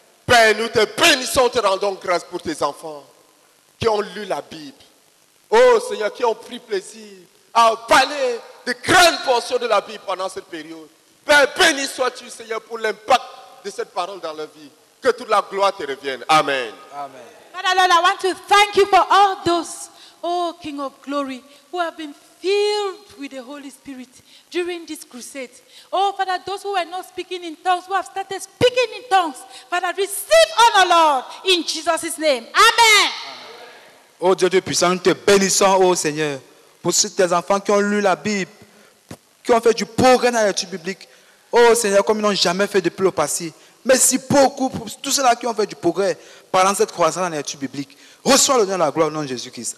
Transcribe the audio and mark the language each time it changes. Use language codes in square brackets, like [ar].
[fr] Père, nous te bénissons, te rendons grâce pour tes enfants qui ont lu la Bible. Oh Seigneur, qui ont pris plaisir à parler de grandes portions de la vie pendant cette période. Père, béni sois-tu, Seigneur, pour l'impact de cette parole dans leur vie. Que toute la gloire te revienne. Amen. Amen. [en] Father Lord, I want to thank you for all those, oh King of Glory, who have been filled with the Holy Spirit during this crusade. Oh Father, those who were not speaking in tongues, who have started speaking in tongues, Father, receive honor, Lord, in Jesus' name. Amen. [fr] Oh Dieu de puissance, nous te bénissons, oh Seigneur, pour tes enfants qui ont lu la Bible, qui ont fait du progrès dans l'étude biblique. Oh Seigneur, comme ils n'ont jamais fait depuis le passé. Merci beaucoup pour tous ceux-là qui ont fait du progrès pendant cette croissance dans l'étude biblique. Reçois l'honneur et la gloire au nom de Jésus-Christ.